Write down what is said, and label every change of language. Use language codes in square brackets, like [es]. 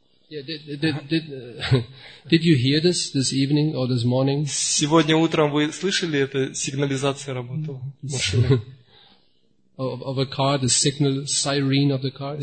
[en] Yeah, did you hear this evening or this morning? [ru] Сегодня утром вы слышали это сигнализация работала машины? [en] Of a car, the signal siren of the car.